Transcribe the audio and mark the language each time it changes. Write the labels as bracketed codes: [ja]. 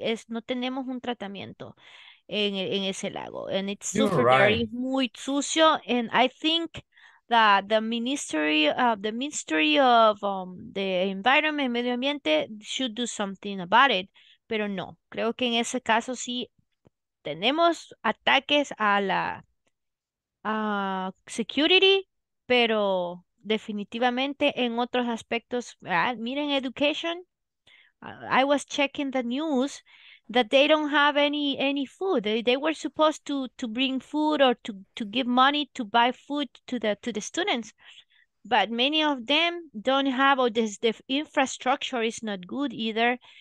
[es] Es, no tenemos un tratamiento en ese lago. [en] And it's super dirty, [es] muy sucio. [en] And I think that the Ministry of the Environment and Medio Ambiente should do something about it. [es] Pero no, creo que en ese caso sí tenemos ataques a la security, pero definitivamente en otros aspectos, ¿verdad? Miren education. [en] I was checking the news that they don't have any food. They were supposed to bring food or to give money to buy food to the students. But many of them don't have, or the infrastructure is not good either.